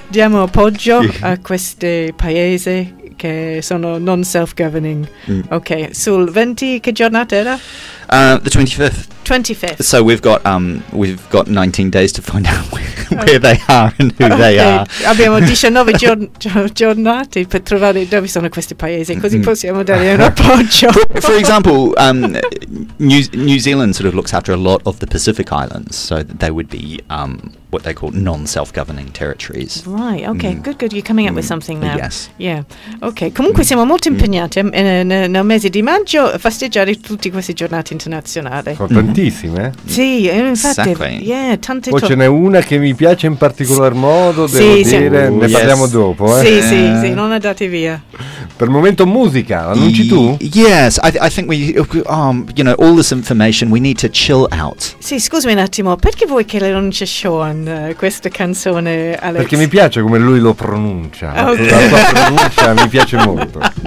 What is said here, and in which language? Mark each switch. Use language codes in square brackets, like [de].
[it] Diamo appoggio a questi paesi che sono non self-governing. Okay. Sul 20, che giornata era? [en] The 25th. So we've got 19 days to find out where they are and who they are. [it] Abbiamo 19 giornate per trovare dove sono questi paesi, così possiamo dare un appoggio. [en] For example, New Zealand sort of looks after a lot of the Pacific Islands, so they would be what they call non-self-governing territories. Right, okay, good, you're coming up with something now. Yes. [it] Yeah, okay, comunque siamo molto impegnati nel mese di maggio a festeggiare tutte queste giornate internazionali. Tantissime. Sì, infatti, tante. Poi ce n'è una che mi piace in particolar modo, devo dire, ne parliamo dopo. Sì, non andate via. Per il momento musica, annunci tu? [en] Yes, I think we all this information, we need to chill out. [it] Sì, scusami un attimo, perché vuoi che le annunci Sean questa canzone, Alex? Perché mi piace come lui lo pronuncia, la sua pronuncia mi piace molto.